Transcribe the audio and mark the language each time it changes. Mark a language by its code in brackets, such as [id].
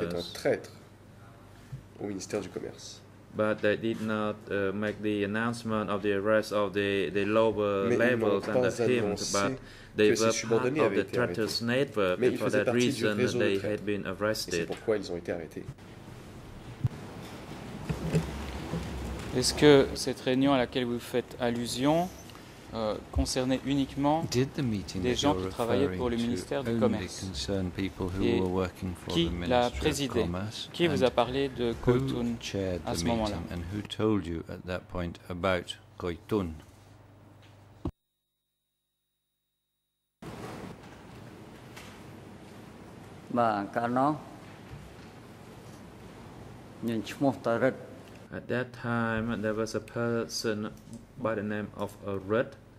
[fr] Était un traître au ministère du Commerce. [en] But they did not make the announcement of the arrest of the lower [fr] Mais [en] levels and of him, but they were part of the traitors' network, [fr] Mais [en] and for that reason they had been arrested. [fr] Et c'est pourquoi ils ont été arrêtés. Est-ce que cette réunion à laquelle vous faites allusion concernait uniquement des gens qui travaillaient pour le ministère du Commerce? Et qui l'a présidé? Qui vous a parlé de Koitun à ce moment-là? [en] And who told you at that point about Koitun? At that time, there was a person by the name of Arut.